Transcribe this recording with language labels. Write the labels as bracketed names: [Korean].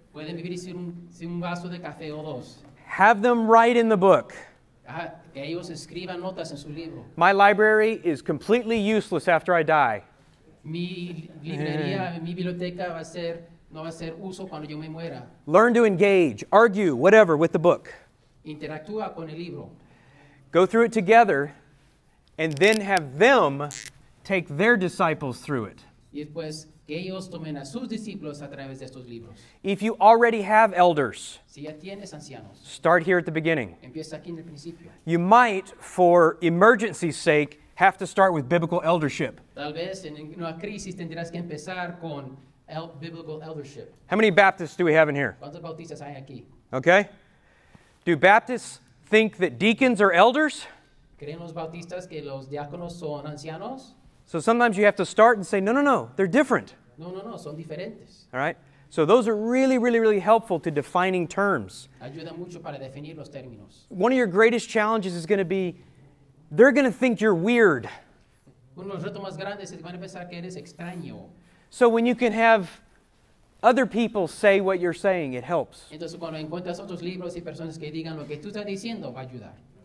[Spanish] Pueden vivir sin un vaso de café o dos. [English] Have them write in the book. [Spanish] Que ellos escriban notas en su libro. [English] My library is completely useless after I die. [Spanish] Mi librería, mi biblioteca va a ser, no va a ser uso cuando yo me muera. [English] Learn to engage, argue, whatever, with the book. [Spanish] Interactúa con el libro. [English] Go through it together. And then have them take their disciples through it. [Spanish] Y después, que ellos tomen a sus discípulos a través de estos libros. [English] If you already have elders, [Spanish] si ya tienes ancianos, [English] start here at the beginning. [Spanish] Empieza aquí en el principio. [English] You might, for emergency's sake, have to start with biblical eldership. [Spanish] Tal vez en una crisis tendrás que empezar con [English] biblical eldership. How many Baptists do we have in here? [Spanish] ¿Cuántos bautistas hay aquí? [English] Okay. Do Baptists think that deacons are elders? [Spanish] ¿Creen los bautistas que los diáconos son ancianos? [English] So sometimes you have to start and say, no, no, no, they're different. [Spanish] No, no, no, son diferentes. [English] All right? So those are really, really, really helpful to defining terms. [Spanish] Ayuda mucho para definir los términos. [English] One of your greatest challenges is going to be, they're going to think you're weird. [Spanish] Uno de los retos más grandes es que van a pensar que eres extraño. [English] So when you can have Other people say what you're saying, it helps. [Spanish] Entonces, cuando encuentras otros libros y personas que digan lo que tú estás diciendo, va a ayudar.